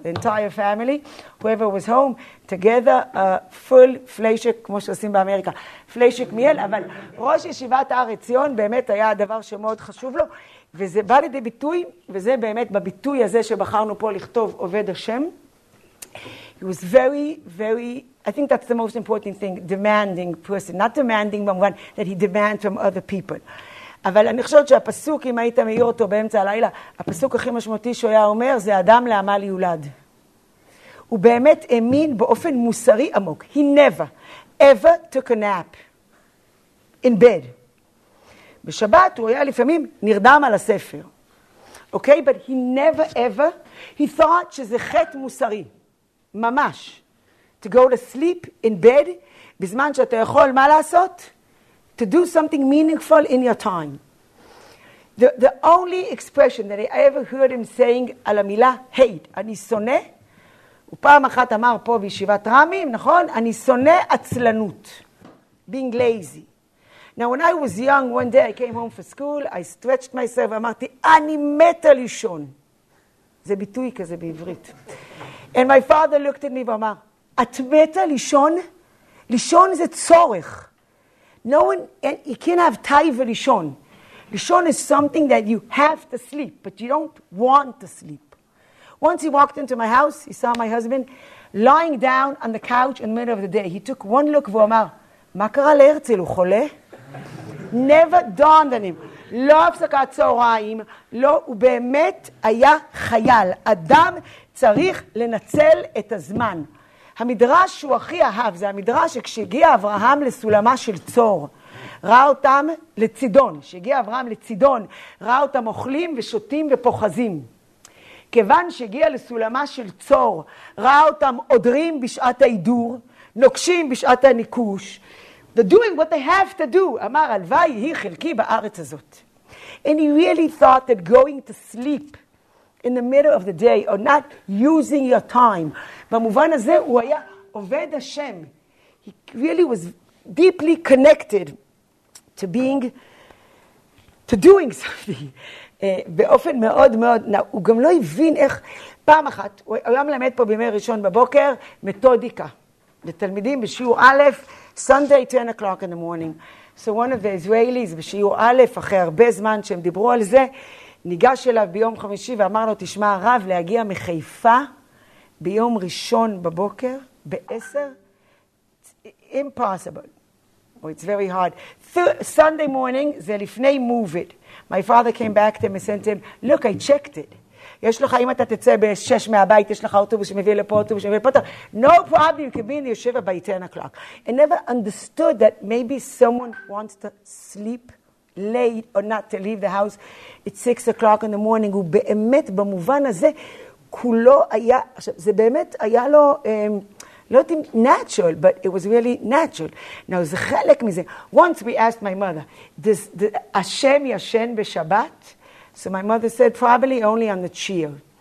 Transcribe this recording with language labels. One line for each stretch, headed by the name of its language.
English: The entire family, whoever was home, together, a full fleishik,
Hebrew: כמו שעושים באמריקה. פלישק מיאל, אבל ראש ישיבת הר עציון באמת היה הדבר שמאוד חשוב לו. וזה בא לידי ביטוי, וזה באמת בביטוי הזה שבחרנו פה לכתוב עובד השם.
English: He was very, very, I think that's the most important thing, demanding person. Not demanding, but one that he demands from other people.
Hebrew: אבל אני חושבת שהפסוק, אם היית מאיר אותו באמצע הלילה, הפסוק הכי משמעותי שהוא היה אומר, זה אדם לעמל יולד. הוא באמת האמין באופן מוסרי עמוק.
English: He never, ever took a nap in bed.
Hebrew: בשבת הוא היה לפעמים נרדם על הספר.
English: Okay, but he never ever, he thought
Hebrew: שזה חטא מוסרי. ממש.
English: To go to sleep in bed,
Hebrew: בזמן שאתה יכול מה לעשות?
English: To do something meaningful in your time. The only expression that I ever heard him saying
Hebrew: על המילה
English: hate,
Hebrew: אני שונא, הוא פעם אחת אמר פה בישיבת רמים, נכון? אני שונא עצלנות.
English: Being lazy. Now when I was young, one day I came home for school, I stretched myself
Hebrew: ואמרתי, אני מתה לישון. זה ביטוי כזה בעברית.
English: And my father looked at me
Hebrew: ואמר, את מתה לישון? לישון זה צורך.
English: No one, you can't have tie for lishon. Lishon is something that you have to sleep, but you don't want to sleep. Once he walked into my house, he saw my husband lying down on the couch in the middle of the day. He took one look
Hebrew: ואמר, מה קרה להרצל, הוא חולה?
English: Never dawned on him.
Hebrew: לא הפסקת צהריים, לא, הוא באמת היה חייל. אדם צריך לנצל את הזמן. המדרש שהוא הכי אהב, זה המדרש שכשהגיע אברהם לסולמה של צור, ראה אותם לצידון, כשהגיע אברהם לצידון, ראה אותם אוכלים ושותים ופוחזים. כיוון שהגיע לסולמה של צור, ראה אותם עודרים בשעת ההידור, נוקשים בשעת הניקוש,
English: they're doing what they have to do,
Hebrew: אמר, הלוואי היא חלקי בארץ הזאת.
English: And he really thought that going to sleep in the middle of the day, or not using your time.
Hebrew: במובן הזה הוא היה עובד השם.
English: He really was deeply connected to being, to doing something.
Hebrew: באופן מאוד מאוד, הוא גם לא הבין איך, פעם אחת, הוא היה מלמד פה בימי ראשון בבוקר, מתודיקה. לתלמידים בשיעור א',
English: Sunday, 10 o'clock in the morning. So one of the Israelis,
Hebrew: בשיעור א', אחרי הרבה זמן שהם דיברו על זה, ניגש אליו ביום חמישי ואמר לו, תשמע הרב, להגיע מחיפה ביום ראשון בבוקר, ב-10,
English: it's impossible, or it's very hard. Sunday morning,
Hebrew: זה לפני
English: move it. My father came back to him and sent him, look, I checked it.
Hebrew: יש לך, אם אתה תצא ב-6 מהבית, יש לך אוטובוס שמביא לפה, אוטובוס שמביא לפה,
English: no problem, you can be in the yeshiva by 10 o'clock. I never understood that maybe someone wants to sleep late or not to leave the house at 6 o'clock in the morning.
Hebrew: הוא באמת במובן הזה כולו היה, עכשיו זה באמת היה לו, לא יודעת אם natural,
English: but it was really natural.
Hebrew: Now זה חלק מזה.
English: Once we asked my mother, does the Hashem
Hebrew: ישן בשבת?
English: So my mother said, probably only on the chair.